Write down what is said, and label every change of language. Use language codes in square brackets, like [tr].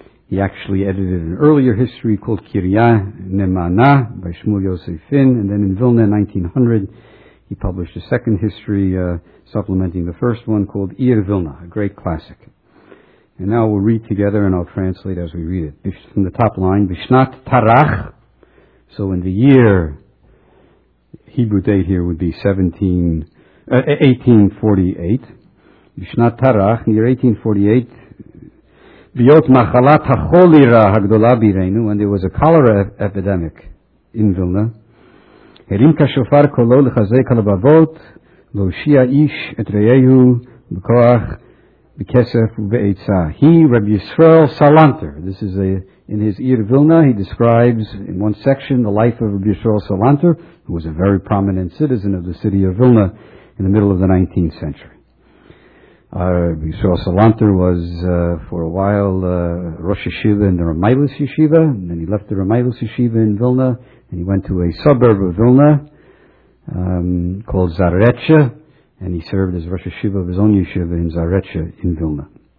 [en] He actually edited an earlier history called Kirya Nemana by Shmuel Yosef Finn, and then in Vilna in 1900, he published a second history supplementing the first one called Ir Vilna, a great classic. And now we'll read together, and I'll translate as we read it. From the top line, [he] Bishnat Tarach, [en] so in the year, Hebrew date here would be 1848, [he] בשנת תרח, [en] near 1848, [he] ביות מחלת החולירה הגדולה בירנו, [en] and there was a cholera epidemic in Vilna, [he] הרים כשופר קולו לחזק הלבבות, להושיע איש את רעיהו בכוח, בכסף ובעיצה. [en] He, Rabbi Yisrael Salanter, this is in his Ir Vilna, he describes in one section the life of Rabbi Yisrael Salanter, who was a very prominent citizen of the city of Vilna in the middle of the 19th century. Yisrael Salanter was for a while Rosh Yeshiva in the Ramaylis Yeshiva, and then he left the Ramaylis Yeshiva in Vilna, and he went to a suburb of Vilna called Zaretsche, and he served as Rosh Yeshiva of his own yeshiva in Zaretsche in Vilna.